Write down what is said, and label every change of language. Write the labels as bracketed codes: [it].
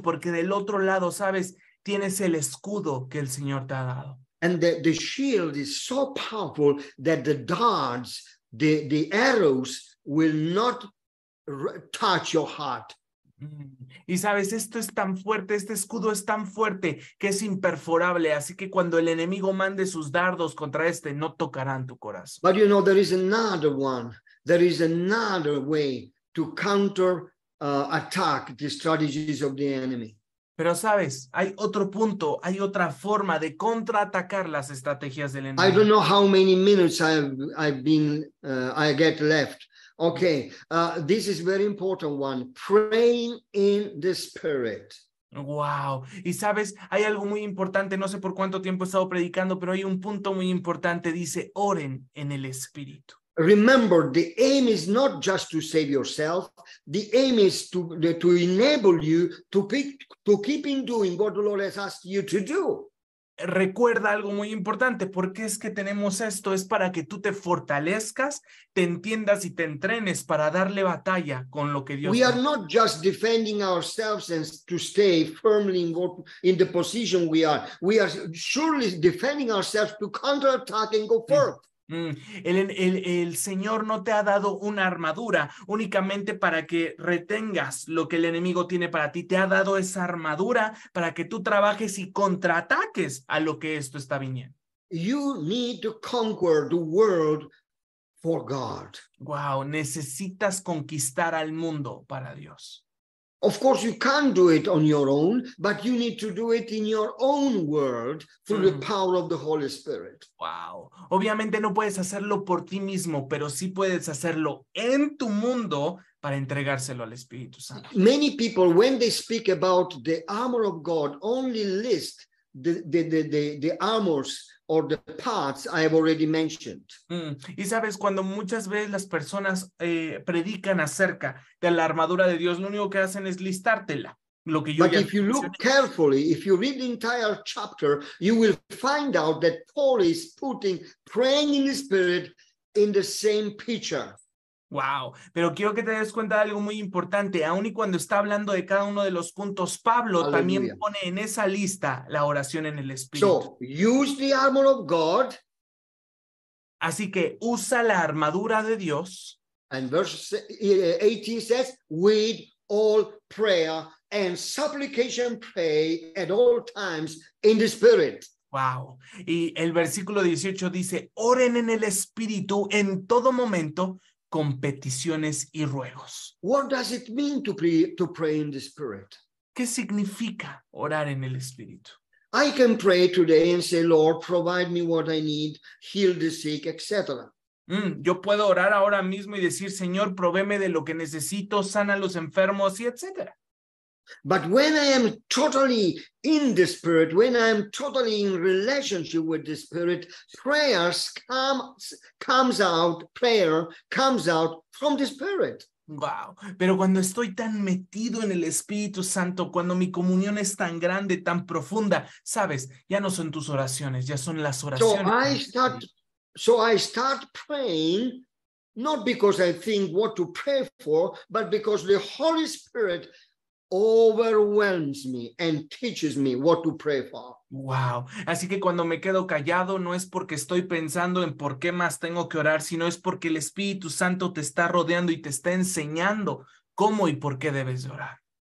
[es] Porque del otro lado, sabes, tienes el escudo que el Señor te ha dado. [en] And the shield is so powerful that the darts, the arrows will not touch your heart. [es] Y sabes, esto es tan fuerte, este escudo es tan fuerte que es imperforable, así que cuando el enemigo mande sus dardos contra este, no tocarán tu corazón. [en] But you know, there is another one, there is another way to counter attack the strategies of the enemy. [es] Pero sabes, hay otro punto, hay otra forma de contraatacar las estrategias del enemigo. [en] I don't know how many minutes I get left. Okay, this is very important one, praying in the spirit. [es] Wow, y sabes, hay algo muy importante, no sé por cuánto tiempo he estado predicando, pero hay un punto muy importante, dice, oren en el espíritu. [en] Remember, the aim is not just to save yourself, the aim is to enable you to keep in doing what the Lord has asked you to do. [es] Recuerda algo muy importante, porque es que tenemos esto, es para que tú te fortalezcas, te entiendas y te entrenes para darle batalla con lo que Dios. [en] We are not just defending ourselves and to stay firmly in the position we are. We are surely defending ourselves to counterattack and go forth. [es] El Señor no te ha dado una armadura únicamente para que retengas lo que el enemigo tiene para ti. Te ha dado esa armadura para que tú trabajes y contraataques a lo que esto está viniendo. [en] You need to conquer the world for God. [es] Wow, necesitas conquistar al mundo para Dios. [en] Of course, you can do it on your own, but you need to do it in your own world through the power of the Holy Spirit. Wow. [es] Obviamente no puedes hacerlo por ti mismo, pero sí puedes hacerlo en tu mundo para entregárselo al Espíritu Santo. [en] Many people, when they speak about the armor of God, only list the armors or the parts I have already mentioned. [es] Y sabes, cuando muchas veces las personas predican acerca de la armadura de Dios, lo único que hacen es listártela. Lo que yo [en] But if you look carefully, if you read the entire chapter, you will find out that Paul is putting praying in the Spirit in the same picture. [es] Wow, pero quiero que te des cuenta de algo muy importante. Aun y cuando está hablando de cada uno de los puntos, Pablo Aleluya. También pone en esa lista la oración en el Espíritu. [en] So, use the armor of God. [es] Así que usa la armadura de Dios. [en] And verse 18 says, with all prayer and supplication pray at all times in the Spirit. Wow. [es] Y el versículo 18 dice, oren en el Espíritu en todo momento. Con peticiones y ruegos. [en] What does it mean to pray in the Spirit? [es] ¿Qué significa orar en el Espíritu? [en] I can pray today and say, Lord, provide me what I need, heal the sick, etc. [es] Yo puedo orar ahora mismo y decir, Señor, provéeme de lo que necesito, sana a los enfermos y etc. [en] But when I am totally in the Spirit, when I am totally in relationship with the Spirit, prayer comes out from the Spirit. Wow. [es] Pero cuando estoy tan metido en el Espíritu Santo, cuando mi comunión es tan grande, tan profunda, sabes, ya no son tus oraciones, ya son las oraciones. [en] So I start praying. Not because I think what to pray for, but because the Holy Spirit overwhelms me and teaches me what to pray for. Wow. [es] Así que cuando me quedo callado, no es porque estoy pensando en por qué más tengo que orar, sino es porque el Espíritu Santo te está rodeando y te está enseñando cómo y por qué debes orar.